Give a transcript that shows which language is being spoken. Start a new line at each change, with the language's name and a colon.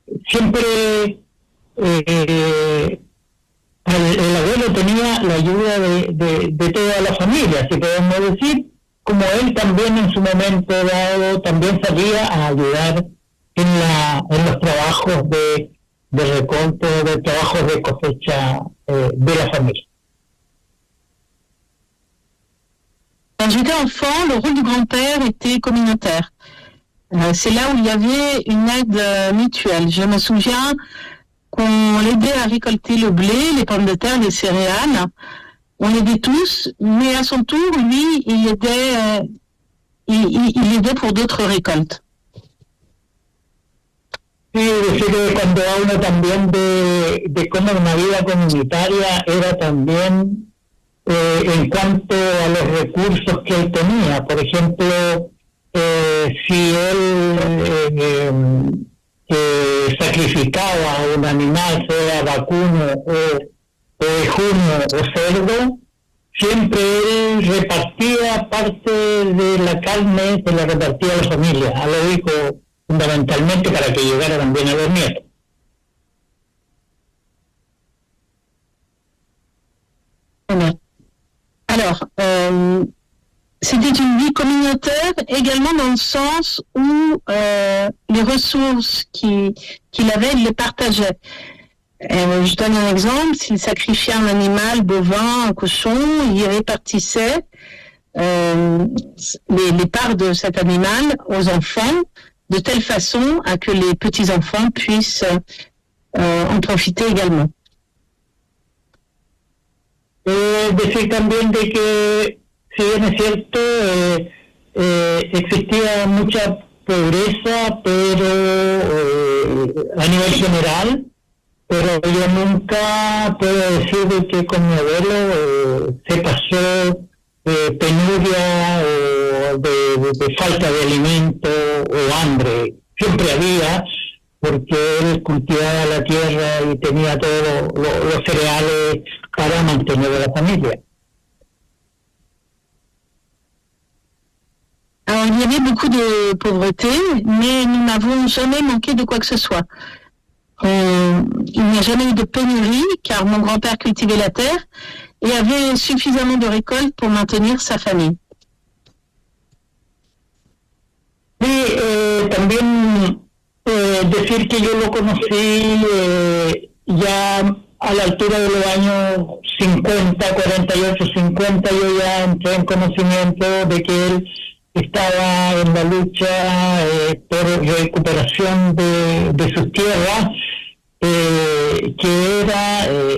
Spanish: Siempre el abuelo tenía la ayuda de toda la familia, si podemos decir, como él también en su momento dado también salía a ayudar en los trabajos de recolta, de trabajos de cosecha de la familia.
French: Quand j'étais enfant, le rôle du grand-père était communautaire. C'est là où il y avait une aide mutuelle. Je me souviens qu'on l'aidait à récolter le blé, les pommes de terre, les céréales. On l'aidait tous, mais à son tour, lui, il aidait pour d'autres récoltes.
Spanish: Sí, decir que cuando hablo también de cómo una vida comunitaria era también en cuanto a los recursos que él tenía. Por ejemplo, si él sacrificaba a un animal, sea vacuno ejuno o cerdo, siempre él repartía parte de la carne, se la repartía a la familia, a los hijos, fundamentalmente para que llegara también a los nietos.
French: Alors, c'était une vie communautaire également dans le sens où les ressources qu'il avait, il les partageait. Je donne un exemple, s'il sacrifiait un animal, bovin, un cochon, il répartissait les parts de cet animal aux enfants de telle façon à que les petits-enfants puissent en profiter également.
Spanish: Decir también de que, si bien es cierto, existía mucha pobreza, pero a nivel general, pero yo nunca puedo decir de que con mi abuelo se pasó penuria o de falta de alimento o hambre. Siempre había, porque él cultivaba la tierra y tenía todos los cereales para mantener a la familia.
French: Alors, il y avait beaucoup de pauvreté, mais nous n'avons jamais manqué de quoi que ce soit. Il n'y a jamais eu de pénurie, car mon grand-père cultivait la terre et avait suffisamment de récolte pour maintenir sa famille.
Spanish: Oui, también decir que yo lo conocí ya a la altura de los años 50, 48, 50, yo ya entré en conocimiento de que él estaba en la lucha por recuperación de sus tierras, que era,